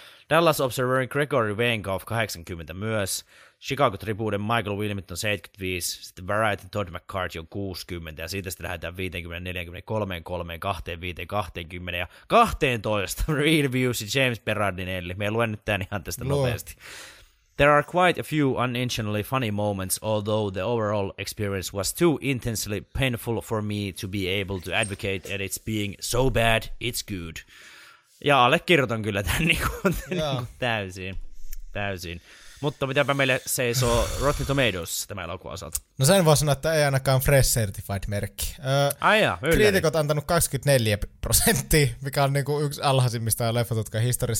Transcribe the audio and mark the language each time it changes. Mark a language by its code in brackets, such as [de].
[fi] Dallas Observerin Gregory Wenkoff 80 myös. Chicago Tribune'n Michael Wilmington 75. Sitten Variety Todd McCarthy on 60. Ja siitä sitten lähdetään 50, 40, 3, 3, 2, 5, 20 ja 12. Real Views James Berardinelli. Me ei luen nyt tämän ihan tästä nopeasti. [en] There are quite a few unintentionally funny moments, although the overall experience was too intensely painful for me to be able to advocate that it's being so bad, it's good. [fi] Ja allekirjoitan kyllä tämän täysin. Mutta mitäpä meille seisoo Rotten Tomatoes tämän elokuvan osalta? No sen voi sanoa, että ei ainakaan Fresh Certified-merkki. Kriitikot antanut 24%, mikä on niinku yksi alhaisimmista leffatutkan historiassa.